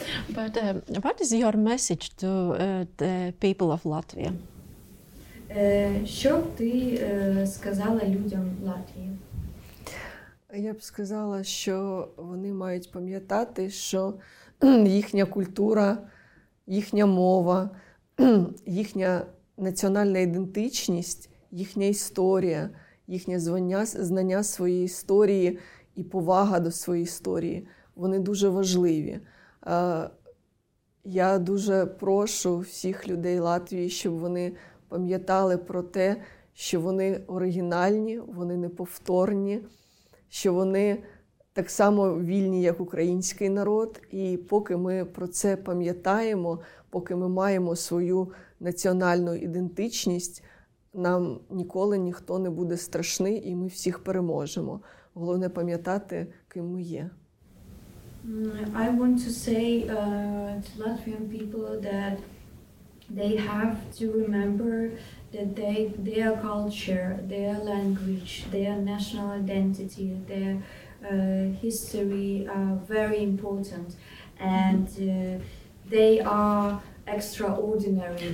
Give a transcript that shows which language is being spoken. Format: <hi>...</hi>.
<en>But what is your message to the people of Latvia?</en> <uk>Що ти сказала людям Латвії? Я б сказала, що вони мають пам'ятати, що їхня культура, їхня мова, їхня національна ідентичність, їхня історія, їхнє знання своєї історії і повага до своєї історії, вони дуже важливі. Я дуже прошу всіх людей Латвії, щоб вони пам'ятали про те, що вони оригінальні, вони неповторні, що вони так само вільні, як український народ. І поки ми про це пам'ятаємо, поки ми маємо свою національну ідентичність, нам ніколи ніхто не буде страшний, і ми всіх переможемо. Головне пам'ятати, ким ми є.</uk> <en>I want to say to Latvian people that they have to remember that their culture, their language, their national identity, their history are very important, and they are extraordinary.</en>